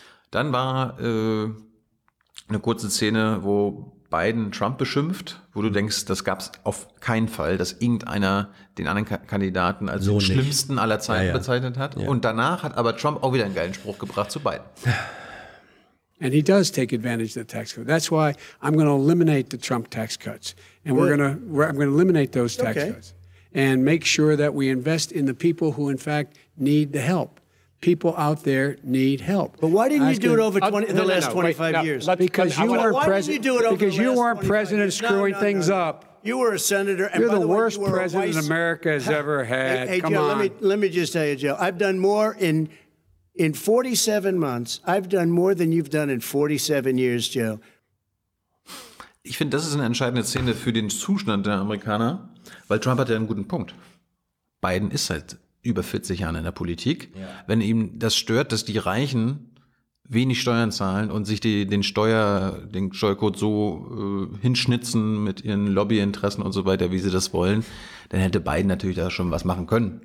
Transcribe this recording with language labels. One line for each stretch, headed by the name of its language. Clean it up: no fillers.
German: Dann war eine kurze Szene, wo Biden Trump beschimpft, wo du denkst, das gab es auf keinen Fall, dass irgendeiner den anderen Kandidaten als so den schlimmsten aller Zeiten bezeichnet hat. Ja. Und danach hat aber Trump auch wieder einen geilen Spruch gebracht zu Biden.
English: And he does take advantage of the tax cut. That's why I'm going to eliminate the Trump tax cuts. And I'm going to eliminate those tax cuts and make sure that we invest in the people who, in fact, need the help. People out there need help. But why didn't you do it over the last 25 years? Because you weren't president screwing things up. You were a senator. And you're by the way, worst president America has ever had. Let me just tell you, Joe, I've done more in 47 months, I've done more than you've done in 47 years, Joe.
German: Ich finde, das ist eine entscheidende Szene für den Zustand der Amerikaner, weil Trump hat ja einen guten Punkt. Biden ist seit über 40 Jahren in der Politik. Ja. Wenn ihm das stört, dass die Reichen wenig Steuern zahlen und sich den Steuercode so hinschnitzen mit ihren Lobbyinteressen und so weiter, wie sie das wollen, dann hätte Biden natürlich da schon was machen können.